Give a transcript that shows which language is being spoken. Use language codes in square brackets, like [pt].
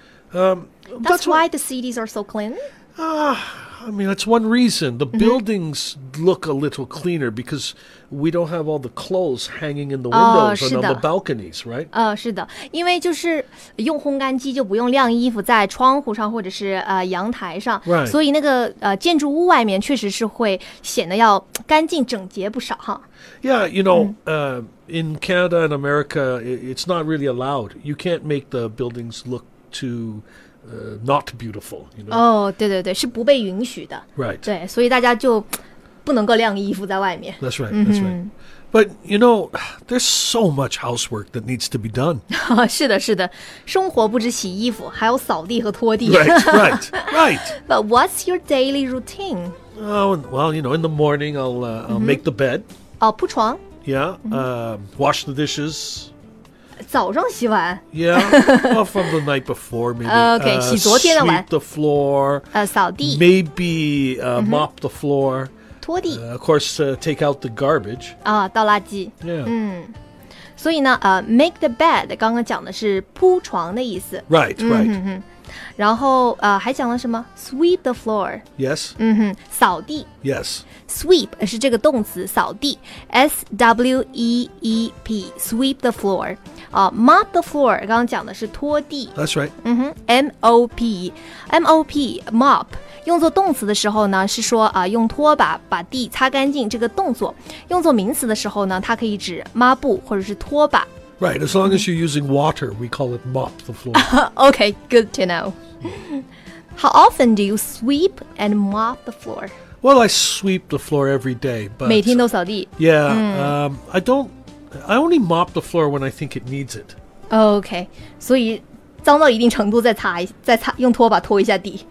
[en] That's why the cities are so clean? Ah, I mean, that's one reason. The buildings look a little cleaner because we don't have all the clothes hanging in the windows and on the balconies, right? [zh] 是的，因为就是用烘干机就不用晾衣服在窗户上或者是阳台上，所以那个建筑物外面确实是会显得要干净整洁不少哈。 [en] Yeah, you know, in Canada and America, it's not really allowed. You can't make the buildings look too... not beautiful, you know. [zh] 对对对，是不被允许的。 [en] Right. [zh] 对，所以大家就不能够晾衣服在外面。 [en] That's right.、Mm-hmm. That's right. But you know, there's so much housework that needs to be done. [zh] 是的，是的，生活不止洗衣服，还有扫地和拖地。 [en] Right, right, right. But what's your daily routine? Well, you know, in the morning, I'll make the bed. [zh] 铺床。 [en] Yeah. Wash the dishes. [zh] 早上洗碗 [en] Yeah, well, from the night before, maybe. [zh] Okay, 洗昨天的碗 [en] Sweep the floor. [zh] 扫地 [en] Maybe、mm-hmm. mop the floor. [zh] 拖地 [en] Of course,、take out the garbage. [zh] 倒垃圾 [en] Yeah. [zh] 所以呢、 [en] make the bed, [zh] 刚刚讲的是铺床的意思 [en] Right, right.、 Mm-hmm. [zh] 然后、还讲了什么 [en] Sweep the floor. Yes.、 [zh] Mm-hmm. 扫地 [en] Yes. [zh] Sweep 是这个动词扫地 S-W-E-E-P, [en] sweep the floor. Mop the floor, [zh] 刚刚讲的是拖地。 [en] That's right.、 Mm-hmm. [zh] M-O-P, M-O-P, mop, 用作动词的时候呢是说、用拖把把地擦干净这个动作。用作名词的时候呢它可以指抹布或者是拖把。 [en] Right, as long as you're using water, we call it mop the floor. Okay, good to know. How often do you sweep and mop the floor? Well, I sweep the floor every day. But [zh] 每天都扫地。 [en] Yeah,、I only mop the floor when I think it needs it. [zh] Okay, 所以脏到一定程度再擦用拖把拖一下地。